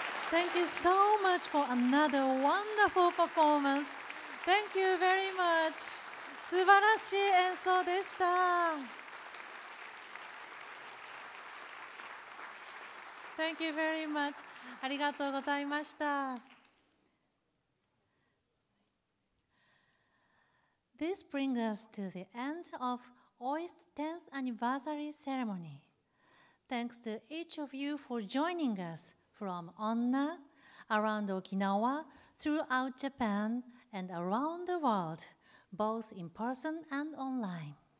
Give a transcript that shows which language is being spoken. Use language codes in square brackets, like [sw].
[en] Thank you so much for another wonderful performance. Thank you very much. [ja] 素晴らしい演奏でした。 [en] Thank you very much. [ja] ありがとうございました。 [en] This brings us to the end of OIST 10th anniversary ceremony. Thanks to each of you for joining us from Onna, around Okinawa, throughout Japan, and around the world, both in person and online.